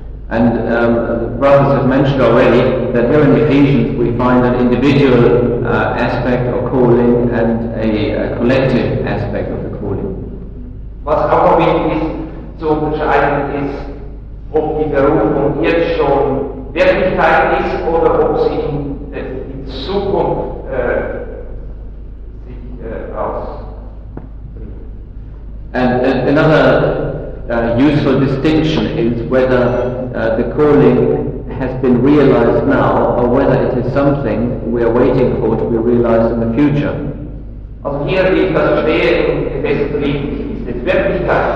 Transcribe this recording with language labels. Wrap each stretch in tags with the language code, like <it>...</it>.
<en>And the brothers have mentioned already that here in Ephesians we find an individual aspect of calling and a collective aspect of the calling.</en> <de>Was auch wichtig ist zu unterscheiden ist, ob die Berufung jetzt schon Wirklichkeit ist oder ob sie in Zukunft</de> <en>And another useful distinction is whether the calling has been realized now or whether it is something we are waiting for to be realized in the future.</en> <de>Also hier, wie ich das verstehe, in Epheser 3, ist es Wirklichkeit.</de>